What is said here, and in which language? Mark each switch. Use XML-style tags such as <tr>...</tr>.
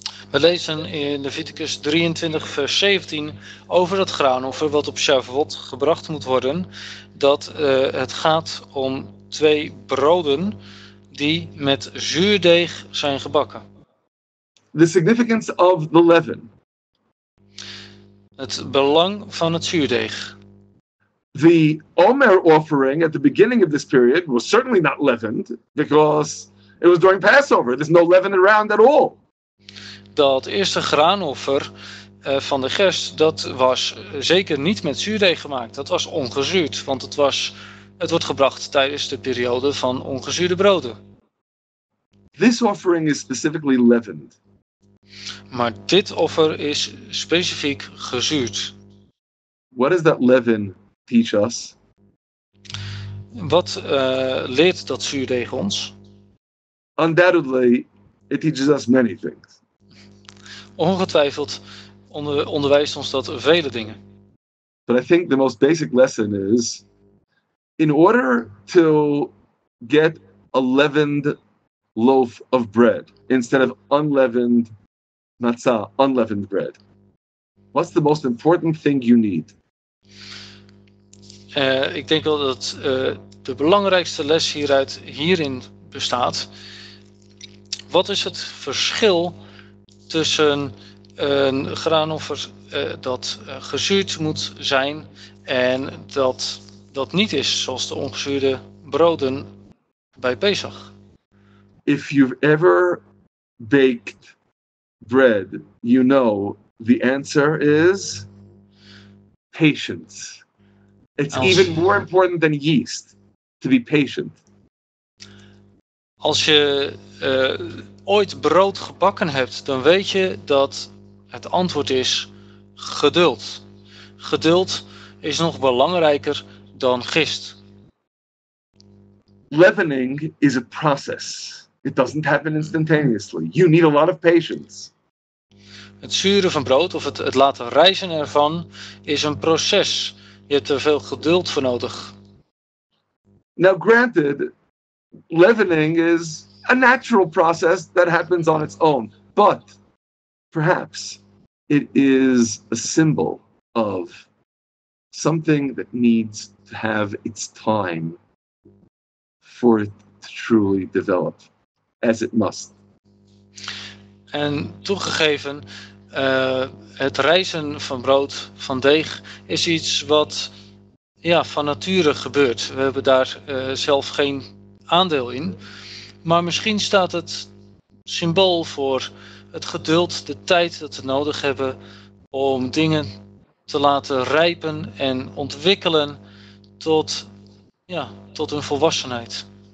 <nl>We lezen in Leviticus 23 vers 17 over het graanoffer wat op Shavuot gebracht moet worden, dat het gaat om twee broden die met zuurdeeg zijn gebakken.</nl> <en>The significance of the leaven.</en> <nl>Het belang van het zuurdeeg.</nl> <en>The Omer offering at the beginning of this period was certainly not leavened, because it was during Passover. There's no leaven around at all.</en> <nl>Dat eerste graanoffer van de gerst, dat was zeker niet met zuurdeeg gemaakt. Dat was ongezuurd, want het was Het wordt gebracht tijdens de periode van ongezuurde broden.</nl> <en>This offering is specifically leavened.</en> <nl>Maar dit offer is specifiek gezuurd.</nl> <en>What does that leaven teach us?</en> <nl>Wat leert dat zuurdeeg ons?</nl> <en>Undoubtedly, it teaches us many things.</en> <nl>Ongetwijfeld onderwijst ons dat vele dingen.</nl> <en>But I think the most basic lesson is, in order to get a leavened loaf of bread instead of unleavened matzah, unleavened bread, what's the most important thing you need?</en> <nl>Ik denk wel dat de belangrijkste les hierin bestaat. Wat is het verschil tussen een graanoffer dat gezuurd moet zijn en dat niet is, zoals de ongezuurde broden bij Pesach?</nl> <en>If you've ever baked bread, you know the answer is patience. It's even more important than yeast to be patient.</en> <nl>Als je ooit brood gebakken hebt, dan weet je dat het antwoord is geduld. Geduld is nog belangrijker dan gist.</nl> <en>Leavening is a process. It doesn't happen instantaneously. You need a lot of patience.</en> <nl>Het zuren van brood of het laten rijzen ervan is een proces. Je hebt er veel geduld voor nodig.</nl> <en>Now granted, leavening is a natural process that happens on its own. But perhaps it is a symbol of something that needs to have its time for it to truly develop as it must.</en> <nl>En toegegeven, het rijzen van brood, van deeg, is iets wat van nature gebeurt. We hebben daar zelf geen aandeel in. Maar misschien staat het symbool voor het geduld, de tijd dat we nodig hebben om dingen te laten rijpen en ontwikkelen tot een volwassenheid.</nl>